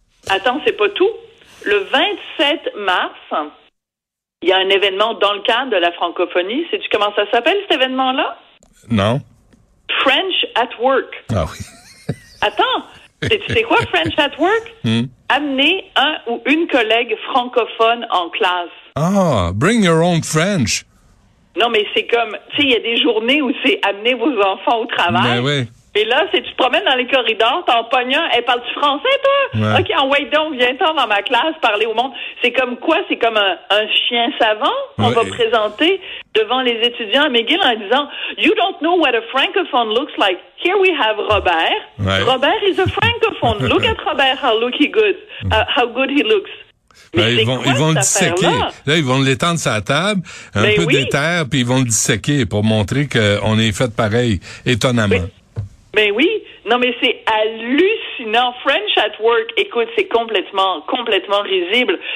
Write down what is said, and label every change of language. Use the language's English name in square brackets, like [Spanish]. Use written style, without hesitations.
[French] Attends, c'est pas tout. Le 27 mars, il y a un événement dans le cadre de la francophonie. Sais-tu comment ça s'appelle, cet événement-là? Non. [English] French at Work. [French] Ah oui. Attends, sais-tu c'est quoi French at Work? Amener un ou une collègue francophone en classe. [English] Ah, bring your own French. [French] Non, mais c'est comme, tu sais, il y a des journées où c'est amener vos enfants au travail. Ben oui. Et là, c'est tu te promènes dans les corridors, t'en pognon, hey, parles-tu français, toi? Ouais. OK, en wait donc, viens-t'en dans ma classe parler au monde. C'est comme quoi? C'est comme un chien savant qu'on ouais. va présenter devant les étudiants à McGill en disant, [English] you don't know what a francophone looks like. Here we have Robert. [French] Ouais. [English] Robert is a francophone. Look at Robert, how good he looks. [French] Mais ben, ils vont le disséquer. Là, ils vont l'étendre sur la table, un ben peu oui. d'éther, puis ils vont le disséquer pour montrer qu'on est fait pareil, étonnamment. Ben oui, Non, mais c'est hallucinant. French at work, écoute, c'est complètement, complètement risible.